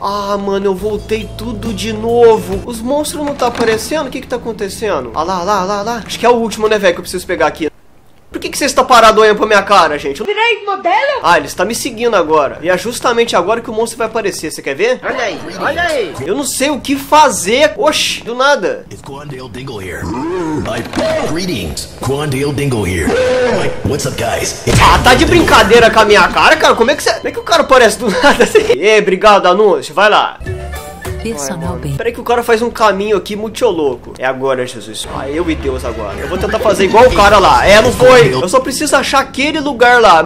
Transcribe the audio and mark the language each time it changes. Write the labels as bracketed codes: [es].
[pt] Ah, mano, eu voltei tudo de novo. Os monstros não tá aparecendo? O que tá acontecendo? Ah lá, lá, lá, lá. Acho que é o último, né, velho, que eu preciso pegar aqui. Por que você está parado olhando pra minha cara, gente? Eu virei modelo? Ah, ele está me seguindo agora. E é justamente agora que o monstro vai aparecer. Você quer ver? Olha aí. Eu não sei o que fazer. Oxi, do nada. [en] It's Quandale Dingle here. Greetings, Quandale Dingle here. What's up, guys? [pt] Ah, tá de brincadeira com a minha cara, cara? Como é que você... Como é que o cara aparece do nada assim? Ei, obrigado, anúncio. Vai lá. Peraí que o cara faz um caminho aqui muito louco. É agora, Jesus. Ah, eu e Deus agora. Eu vou tentar fazer igual o cara lá. É, não foi. Eu só preciso achar aquele lugar lá.